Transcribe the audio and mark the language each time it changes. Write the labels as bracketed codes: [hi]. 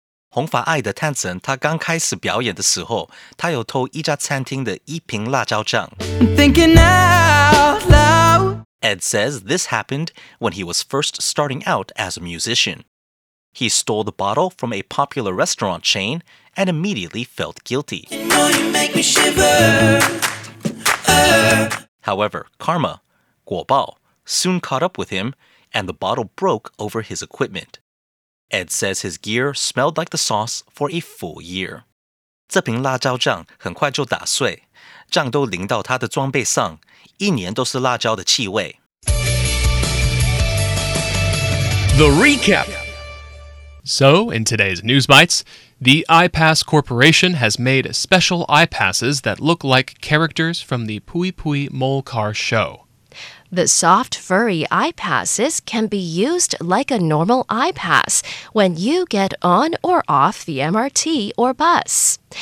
[zh] 红发爱德探森他刚开始表演的时候，他有偷一家餐厅的一瓶辣椒酱。 [en] Ed says this happened when he was first starting out as a musician. He stole the bottle from a popular restaurant chain and immediately felt guilty. You know you make me shiver. However, karma, [zh] 果报, [en] soon caught up with him and the bottle broke over his equipment. Ed says his gear smelled like the sauce for a full year. [zh] 这瓶辣椒酱很快就打碎，酱都淋到他的装备上，一年都是辣椒的气味。 [en] The recap. So, in today's News Bites, the iPass Corporation has made special iPasses that look like characters from the Pui Pui Molcar show. The soft, furry iPasses can be used like a normal iPass when you get on or off the MRT or bus.